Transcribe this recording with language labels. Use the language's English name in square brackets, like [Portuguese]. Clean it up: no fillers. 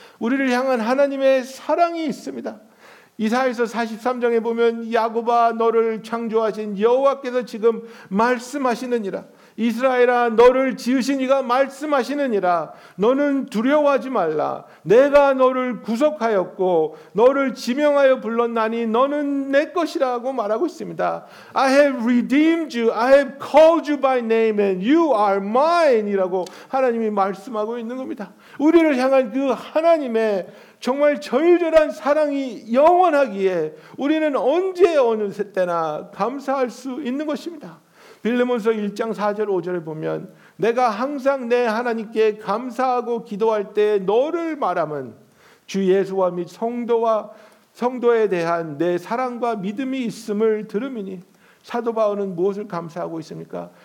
[Korean] 우리를 향한 하나님의 사랑이 있습니다. 이사야서 43장에 보면 야곱아 너를 창조하신 여호와께서 지금 말씀하시느니라. 이스라엘아 너를 지으신 이가 말씀하시느니라. 너는 두려워하지 말라. 내가 너를 구속하였고 너를 지명하여 불렀나니 너는 내 것이라고 말하고 있습니다. [English] I have redeemed you. I have called you by name and you are mine [Korean] 이라고 하나님이 말씀하고 있는 겁니다. 우리를 향한 그 하나님의 정말 절절한 사랑이 영원하기에 우리는 언제 어느 때나 감사할 수 있는 것입니다. 빌립보서 1장 4절 5절에 보면 내가 항상 내 하나님께 감사하고 기도할 때 너를 말함은 주 예수와 및 성도와 성도에 대한 내 사랑과 믿음이 있음을 들음이니 사도 바울은 무엇을 감사하고 있습니까?